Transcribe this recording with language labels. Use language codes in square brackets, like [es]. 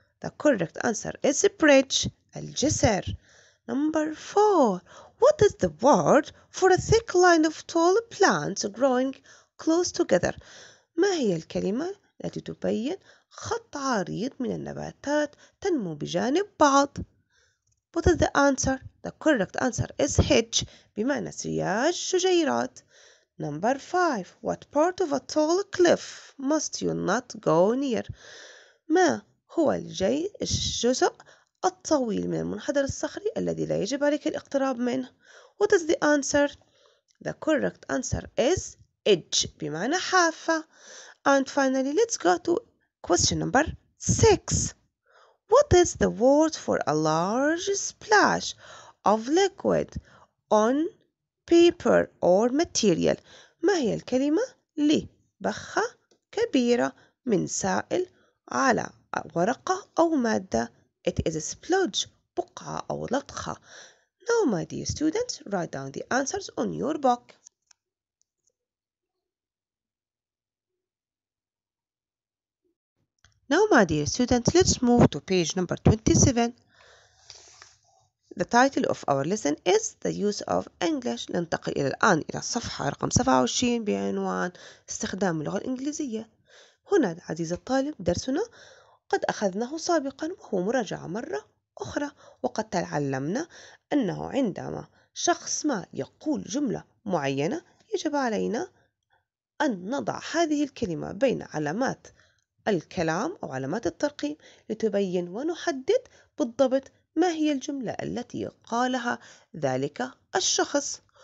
[en] The correct answer is a bridge, [ar] الجسر. [en] Number 4. What is the word for a thick line of tall plants growing close together? [ar] ما هي الكلمة التي تبين خط عريض من النباتات تنمو بجانب بعض؟ [en] What is the answer? The correct answer is hedge, [ar] بمعنى سياج شجيرات. [en] Number 5. What part of a tall cliff must you not go near? [ar] ما هو الجزء الطويل من المنحدر الصخري الذي لا يجب عليك الاقتراب منه؟ [en] What is the answer? The correct answer is edge, [ar] بمعنى حافة. [en] And finally, let's go to question number 6. What is the word for a large splash of liquid on paper or material? [ar] ما هي الكلمة لبخة كبيرة من سائل على ورقة أو مادة؟ [en] It is a splodge, [ar] بقعة أو لطخة. [en] Now, my dear students, write down the answers on your book. Now, my dear students, let's move to page number 27. The title of our lesson is The Use of English. [ar] ننتقل إلى الآن إلى الصفحة رقم 27 بعنوان استخدام اللغة الإنجليزية. هنا عزيزي الطالب درسنا قد أخذناه سابقا وهو مراجعة مرة أخرى. وقد تعلمنا أنه عندما شخص ما يقول جملة معينة يجب علينا أن نضع هذه الكلمة بين علامات الكلام أو علامات الترقيم لتبين ونحدد بالضبط ما هي الجملة التي قالها ذلك الشخص.